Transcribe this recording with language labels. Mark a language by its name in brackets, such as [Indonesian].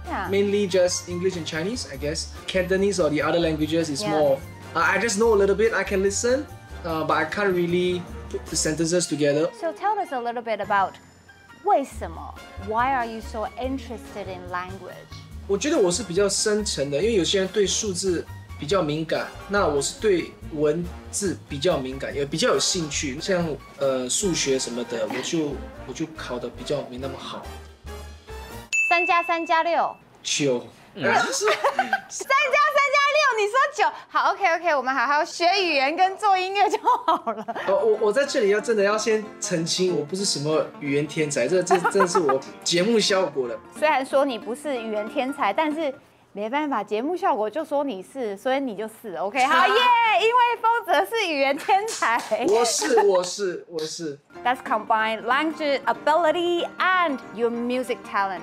[English] Yeah. Mainly just English and Chinese, I guess. Cantonese or the other languages is、yeah. more. I just know a little bit. I can listen,but I can't really put the sentences together. So tell us a little bit about [Chinese] 为什么 [English] Why are you so interested in language? [Chinese] 我觉得我是比较深层的，因为有些人对数字比较敏感，那我是对文字比较敏感，也比较有兴趣。像数学什么的，我就考得比较没那么好。三加三加六九，三加三加六，你说九，好 ，OK OK， 我们好好学语言跟做音乐就好了。我在这里要真的要先澄清，我不是什么语言天才，这真的是我节目效果的。虽然说你不是语言天才，但是。没办法，节目效果就说你是，所以你就是 OK 好耶！ [English] yeah, [Chinese] 因为风泽是语言天才，我是。 [English] That's combined language ability and your music talent。